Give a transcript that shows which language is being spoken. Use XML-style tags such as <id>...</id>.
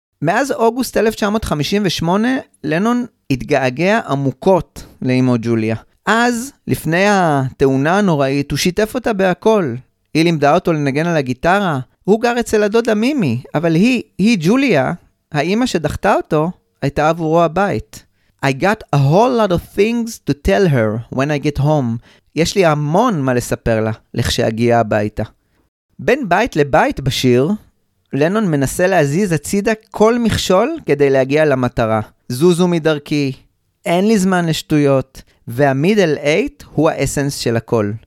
<he>מאז אוגוסט 1958, לנון התגעגע עמוקות לאמו ג'וליה. אז, לפני התאונה הנוראית, הוא שיתף אותה בהכל. היא לימדה אותו לנגן על הגיטרה, הוא גר אצל הדודה מימי, אבל היא ג'וליה, האמא שדחתה אותו, הייתה עבורו הבית.</he> <en>I got a whole lot of things to tell her when I get home.</en> <he>יש לי המון מה לספר לה, לכשהגיע הביתה. בין בית לבית בשיר, לנון מנסה להזיז הצידה כל מכשול כדי להגיע למטרה. זוזו מדרכי, אין לי זמן לשטויות, והמידל אייט הוא האסנס של הכל.</he>